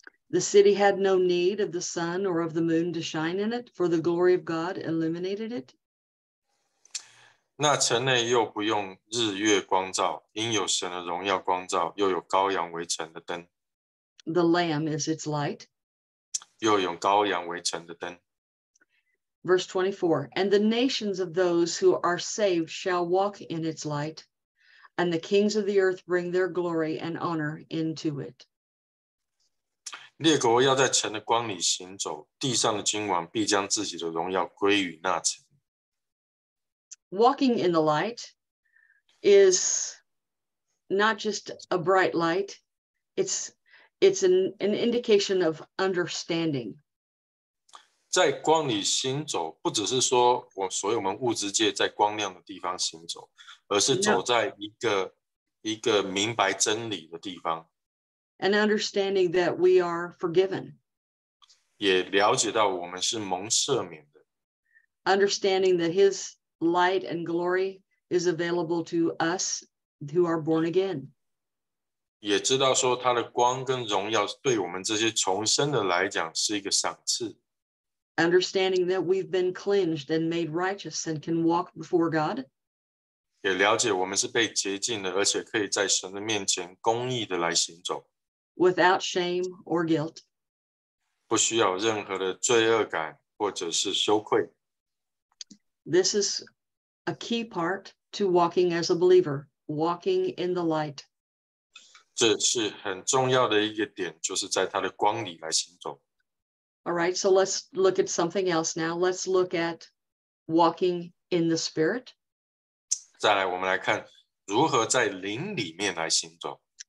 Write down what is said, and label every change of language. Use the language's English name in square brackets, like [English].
[English] The city had no need of the sun or of the moon to shine in it, for the glory of God illuminated it. [Chinese] 那城内又不用日月光照，因有神的荣耀光照，又有羔羊为城的灯。 [English] The Lamb is its light. [Chinese] 又有羔羊为城的灯。 [English] Verse 24, and the nations of those who are saved shall walk in its light, and the kings of the earth bring their glory and honor into it. [Chinese] 列国要在城的光里行走，地上的君王必将自己的荣耀归于那城。 [English] Walking in the light is not just a bright light, it's an indication of understanding. [Chinese] 在光里行走，不只是说我所有我们物质界在光亮的地方行走，而是走在一个明白真理的地方。 [English] And understanding that we are forgiven. [Chinese] 也了解到我们是蒙赦免的。 [English] Understanding that his light and glory is available to us who are born again. [Chinese] 也知道说他的光跟荣耀对我们这些重生的来讲是一个赏赐。 [English] Understanding that we've been cleansed and made righteous and can walk before God. [Chinese] 也了解我们是被洁净的，而且可以在神的面前公义的来行走。 [English] Without shame or guilt. [Chinese] 不需要任何的罪恶感或者是羞愧。 [English] This is a key part to walking as a believer, walking in the light. [Chinese] 这是很重要的一个点，就是在他的光里来行走。 [English] All right, so let's look at something else now. Let's look at walking in the Spirit. [Chinese] 再来，我们来看如何在灵里面来行走。